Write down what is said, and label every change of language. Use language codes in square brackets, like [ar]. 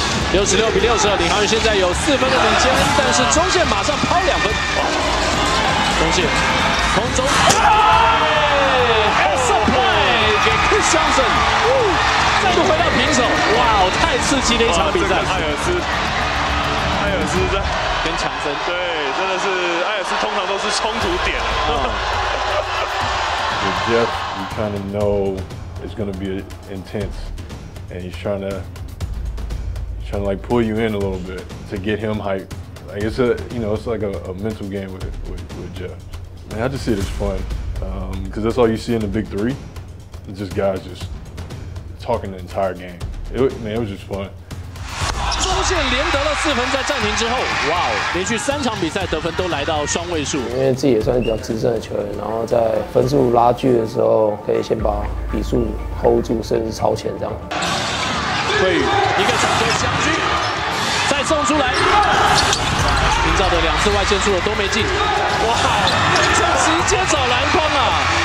[zh] 66-62，领航员现在有4分的领先，但是中线马上抛2分，中线空中 ，supply 给 Chris Johnson， 再度回到平手，哇，太刺激的一场比赛，艾尔斯在跟强森，对，真的是艾尔斯通常都是冲突点。 [en] Jeff, you kind of know it's going to be intense, and he's trying to. Trying to like pull you in a little bit to get him hyped. Like it's a, you know, it's like a mental game with Jeff. Man, I just see it as fun. Cause that's all you see in the big three. It's just guys just talking the entire game. It was just fun. [zh] 中线连得了4分，在暂停之后，哇，连续3场比赛得分都来到双位数。因为自己也算是比较资深的球员，然后在分数拉锯的时候，可以先把比数 hold 住，甚至超前这样。桂宇一个长传，祥军再送出来，营造的两次外线出手都没进，哇，这直接走篮筐啊！